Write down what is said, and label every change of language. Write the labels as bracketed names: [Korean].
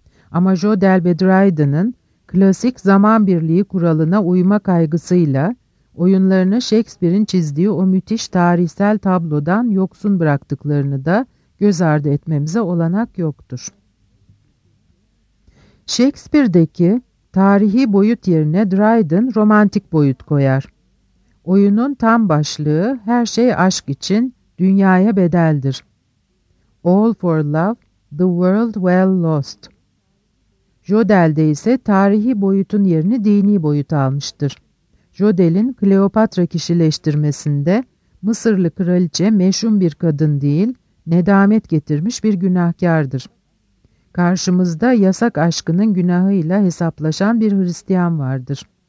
[Turkish] Ama Jodel ve Dryden'ın klasik zaman birliği kuralına uyma kaygısıyla oyunlarını Shakespeare'in çizdiği o müthiş tarihsel tablodan yoksun bıraktıklarını da göz ardı etmemize olanak yoktur. Shakespeare'deki tarihi boyut yerine Dryden romantik boyut koyar. Oyunun tam başlığı her şey aşk için dünyaya bedeldir. [English] All for love, the world well lost. [Turkish] Jodel'de ise tarihi boyutun yerini dini boyut almıştır. Jodel'in Kleopatra kişileştirmesinde Mısırlı kraliçe meşhum bir kadın değil, nedamet getirmiş bir günahkardır. Karşımızda yasak aşkının günahıyla hesaplaşan bir Hristiyan vardır.